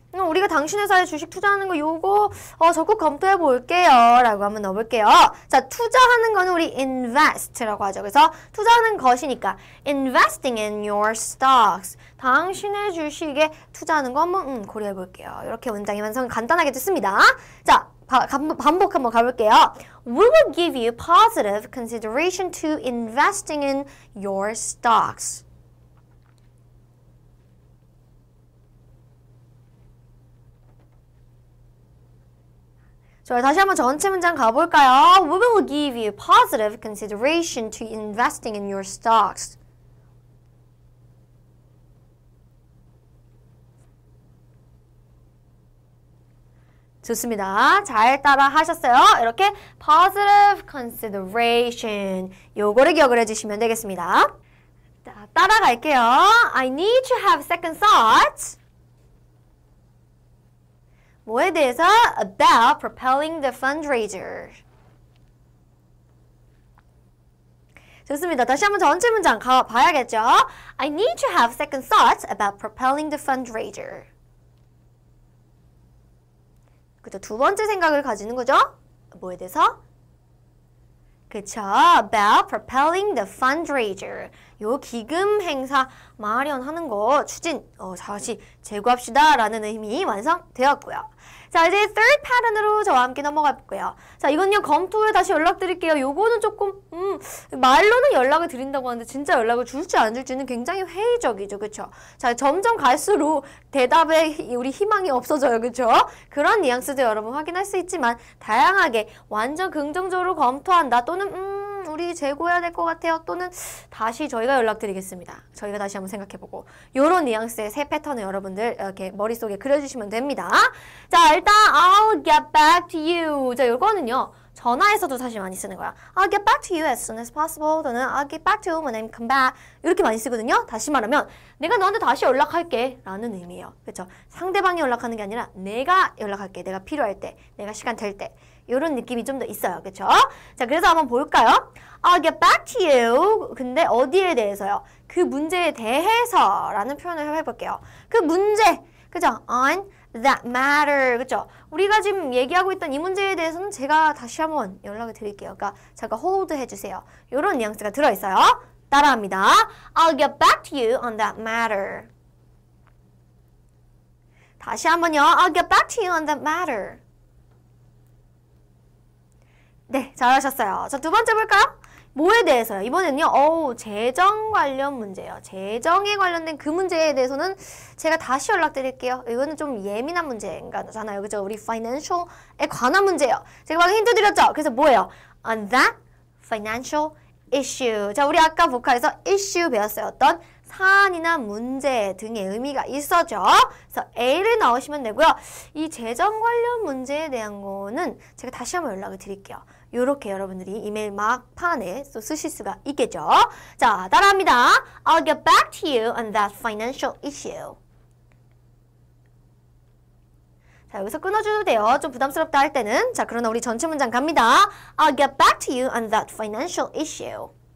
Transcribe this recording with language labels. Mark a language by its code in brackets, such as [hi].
[ko] 우리가 당신 회사에 주식 투자하는 거 요거 적극 검토해 볼게요 라고 한번 넣어볼게요. 자, 투자하는 거는 우리 invest라고 하죠. 그래서 투자하는 것이니까 [en] investing in your stocks. [ko] 당신의 주식에 투자하는 거 한번 고려해 볼게요. 이렇게 문장이 완성 간단하게 됐습니다. 자, 반복 한번 가볼게요. [en] We will give you positive consideration to investing in your stocks. [ko] 좋아요. 다시 한번 전체 문장 가볼까요? [en] We will give you positive consideration to investing in your stocks. [ko] 좋습니다. 잘 따라 하셨어요? 이렇게 positive consideration 요거를 기억을 해주시면 되겠습니다. 자, 따라갈게요. [en] I need to have second thoughts. [ko] 뭐에 대해서? [en] About propelling the fundraiser. [ko] 좋습니다. 다시 한번 전체 문장 가봐야겠죠? [en] I need to have second thoughts about propelling the fundraiser. [ko] 그죠? 두 번째 생각을 가지는 거죠? 뭐에 대해서? 그쵸? [en] About propelling the fundraiser. [ko] 요 기금 행사 마련하는 거 추진, 다시 재고합시다 라는 의미 완성되었고요. 자, 이제 third pattern으로 저와 함께 넘어갈게요. 자, 이건요, 검토 후에 다시 연락드릴게요. 요거는 조금, 말로는 연락을 드린다고 하는데 진짜 연락을 줄지 안 줄지는 굉장히 회의적이죠, 그쵸? 자, 점점 갈수록 대답에 우리 희망이 없어져요, 그쵸? 그런 뉘앙스도 여러분 확인할 수 있지만 다양하게 완전 긍정적으로 검토한다 또는 우리 재고해야 될 것 같아요 또는 다시 저희가 연락드리겠습니다. 저희가 다시 한번 생각해보고 이런 뉘앙스의 새 패턴을 여러분들 이렇게 머릿속에 그려주시면 됩니다. [en] 자, 일단 I'll get back to you. [ko] 자, 이거는요 전화에서도 사실 많이 쓰는 거야. [en] I'll get back to you as soon as possible 또는 I'll get back to you when I come back [ko] 이렇게 많이 쓰거든요. 다시 말하면 내가 너한테 다시 연락할게 라는 의미예요. 그렇죠? 상대방이 연락하는 게 아니라 내가 연락할게. 내가 필요할 때, 내가 시간 될 때 이런 느낌이 좀 더 있어요. 그렇죠? 자, 그래서 한번 볼까요? [en] I'll get back to you. [ko] 근데 어디에 대해서요? 그 문제에 대해서 라는 표현을 해볼게요. 그 문제, 그렇죠? [en] On that matter, [ko] 그렇죠? 우리가 지금 얘기하고 있던 이 문제에 대해서는 제가 다시 한번 연락을 드릴게요. 그러니까 잠깐 hold 해주세요. 이런 뉘앙스가 들어있어요. 따라합니다. [en] I'll get back to you on that matter. [ko] 다시 한번요. [en] I'll get back to you on that matter. [ko] 네, 잘하셨어요. 자, 두 번째 볼까요? 뭐에 대해서요? 이번에는요, 재정 관련 문제예요. 재정에 관련된 그 문제에 대해서는 제가 다시 연락드릴게요. 이거는 좀 예민한 문제인가잖아요. 그죠? 우리 financial에 관한 문제예요. 제가 방금 힌트 드렸죠? 그래서 뭐예요? [en] On that financial issue. [ko] 자, 우리 아까 보카에서 issue 배웠어요. 어떤 사안이나 문제 등의 의미가 있었죠. 그래서 A를 넣으시면 되고요. 이 재정 관련 문제에 대한 거는 제가 다시 한번 연락을 드릴게요. 이렇게 여러분들이 이메일 막판에 또 쓰실 수가 있겠죠. 자, 따라합니다. [en] I'll get back to you on that financial issue. [ko] 자, 여기서 끊어줘도 돼요. 좀 부담스럽다 할 때는. 자, 그러나 우리 전체 문장 갑니다. [en] I'll get back to you on that financial issue.